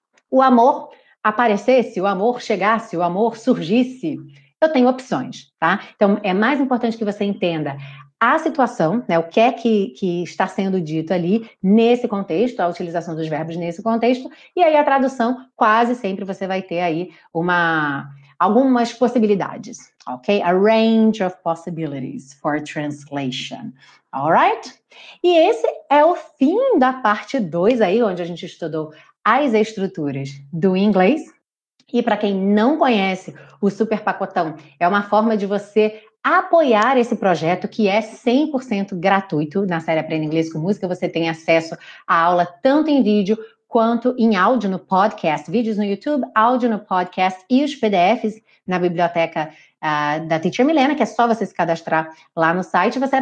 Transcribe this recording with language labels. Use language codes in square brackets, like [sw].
[pt] O amor aparecesse, o amor chegasse, o amor surgisse, eu tenho opções, tá? Então, é mais importante que você entenda a situação, né? O que é que está sendo dito ali nesse contexto, a utilização dos verbos nesse contexto, e aí a tradução, quase sempre você vai ter aí algumas possibilidades, ok? [en] A range of possibilities for translation, all right? [pt] E esse é o fim da parte 2 aí, onde a gente estudou as estruturas do inglês. E para quem não conhece o Super Pacotão, é uma forma de você apoiar esse projeto que é 100% gratuito. Na série Aprenda Inglês com Música, você tem acesso à aula tanto em vídeo quanto em áudio no podcast, vídeos no YouTube, áudio no podcast e os PDFs na biblioteca da Teacher Milena, que é só você se cadastrar lá no site.